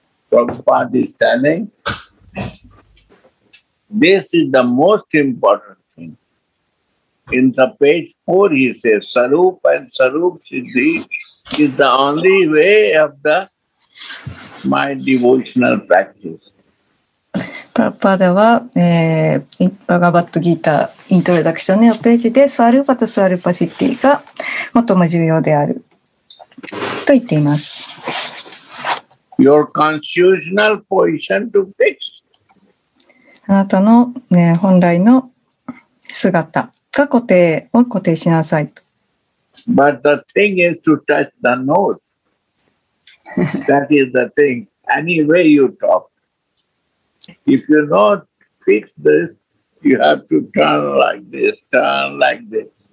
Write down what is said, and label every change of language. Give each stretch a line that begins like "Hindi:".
English: Prabhupada is telling, this is the most important thing. In the page 4 he says, Sarup and Sarup Siddhi is the only way of theMy devotional practice.
Japanese: パパでは、バガバットギータイントロダクションのページでスワルパとスワルパシティが最も重要であると言っています。
English: Your constitutional position to fix.
Japanese: あなたの、本来の姿が固定を固定しなさいと。
English: But the thing is to touch the node. That is the thing. Any way you talk, if you not fix this, you have to turn like this, turn like this.